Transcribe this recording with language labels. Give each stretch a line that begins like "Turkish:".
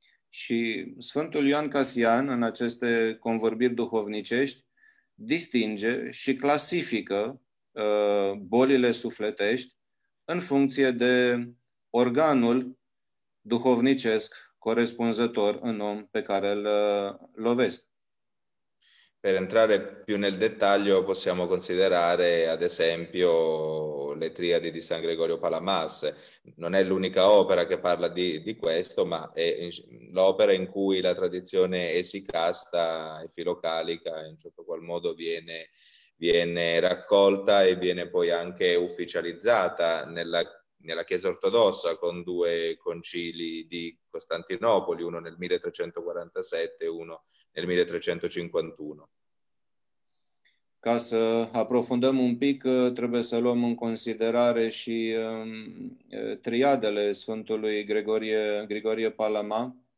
Romanian: Și Sfântul Ioan Casian, în aceste convorbiri duhovnicești, distinge și clasifică bolile sufletești în funcție de organul duhovnicesc corespunzător în om pe care îl lovesc.
Italian: Per entrare più nel dettaglio possiamo considerare ad esempio le triadi di San Gregorio Palamas. Non è l'unica opera che parla di questo, ma è l'opera in cui la tradizione esicasta e filocalica in certo qual modo viene raccolta e viene poi anche ufficializzata nella Chiesa ortodossa con due concili di Costantinopoli, uno nel 1347 e uno nel 1351.
Romanian: Ca să aprofundăm un pic, trebuie să luăm în considerare și triadele Sfântului Grigorie Palama.